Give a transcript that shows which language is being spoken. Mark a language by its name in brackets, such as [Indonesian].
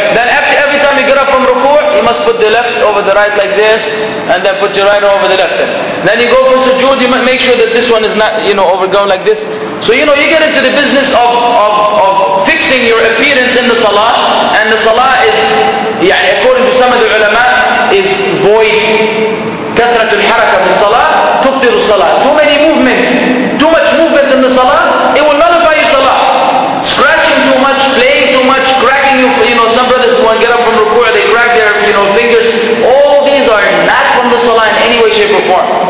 [English] Then every time you get up from ruku', you must put the left over the right like this, and then put your right over the left. Then you go for sujood, you make sure that this one is not, you know, overgone like this. So you know, you get into the business of fixing your appearance in the salah, and the salah is, يعني, according to some of the ulama, is void. [Arabic] كثرت الحركة في الصلاة تفطر الصلاة. [English] Too many movements, too much movement in the salah, it will nullify your salah. Scratching too much, playing too much, cracking you, you know, some brothers who get up from ruku', they crack their, you know, fingers. All these are not from the salah in any way, shape, or form.